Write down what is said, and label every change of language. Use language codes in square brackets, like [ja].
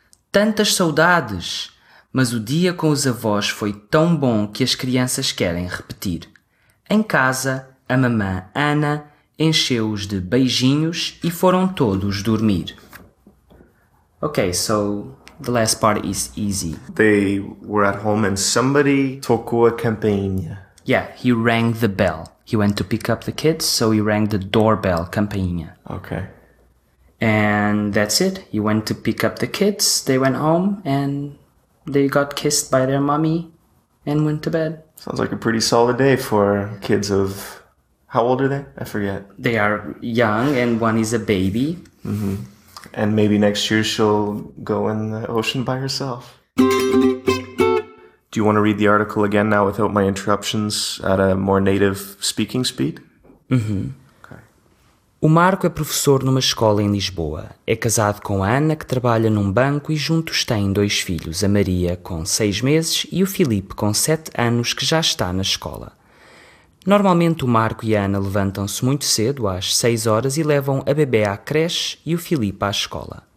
[pt] Tantas saudades! Mas o dia com os avós foi tão bom que as crianças querem repetir. Em casa... A mamã Ana encheu-os de beijinhos e foram todos dormir. [en] Okay, so the last part is easy. They were at home and somebody [pt] tocou a campainha. [en] Yeah, he rang the bell. He went to pick up the kids, so he rang the doorbell, campainha. Okay. And that's it. He went to pick up the kids, they went home and they got kissed by their mommy and went to bed. Sounds like a pretty solid day for kids of... How old are they? I forget. They are young and one is a baby. Mm-hmm. And maybe next year she'll go in the ocean by herself. Do you want to read the article again now without my interruptions at a more native speaking speed? Mm-hmm. Okay. [pt] O Marco é professor numa escola em Lisboa. É casado com a Ana, que trabalha num banco, e juntos têm dois filhos, a Maria com 6 meses e o Filipe com 7 anos, que já está na escola. Normalmente o Marco e a Ana levantam-se muito cedo, às 6 horas, e levam a bebê à creche e o Filipe à escola.